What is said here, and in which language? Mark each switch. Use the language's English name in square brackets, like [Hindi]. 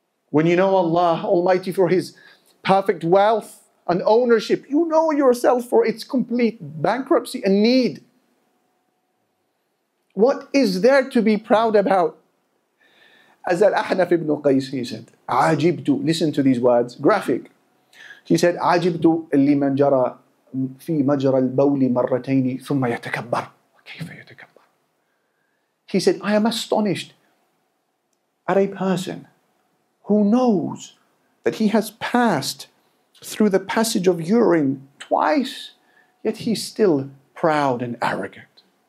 [English] When you know Allah Almighty for His perfect wealth and ownership, you know yourself for its complete bankruptcy and need. What is there to be proud about? As Al-Ahnaf ibn Qais, he said, [Arabic] عَجِبْتُ, [English] listen to these words, graphic. He said, [Arabic] عَجِبْتُ لِمَنْ جَرَى في مجرى البول مرتين ثم يتكبر. كيف يتكبر؟ [English] He said, I am astonished at a person who knows that he has passed through the passage of urine twice, yet he's still proud and arrogant.